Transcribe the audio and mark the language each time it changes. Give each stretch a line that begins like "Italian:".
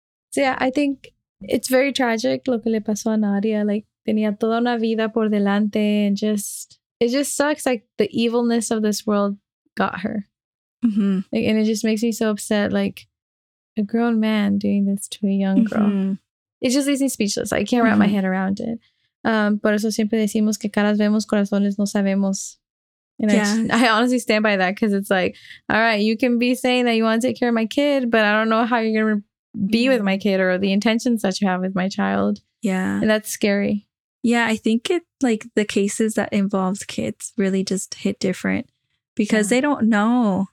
English: So yeah, I think it's very tragic
Spanish: lo que le pasó a Nadia. Like, tenía toda una vida por delante
English: and just, it just sucks. Like, the evilness of this world got her. Mm-hmm. Like, and it just makes me so upset. Like, a grown man doing this to a young girl. Mm-hmm. It just leaves me speechless. I can't wrap mm-hmm. my head around it.
Spanish: Por eso siempre decimos que caras vemos, corazones no sabemos.
English: And yeah. I honestly stand by that because it's like, all right, you can be saying that you want to take care of my kid, but I don't know how you're going to be with my kid or the intentions that you have with my child. Yeah. And that's scary. Yeah. I think it like the cases that involves kids really just hit different because they don't know.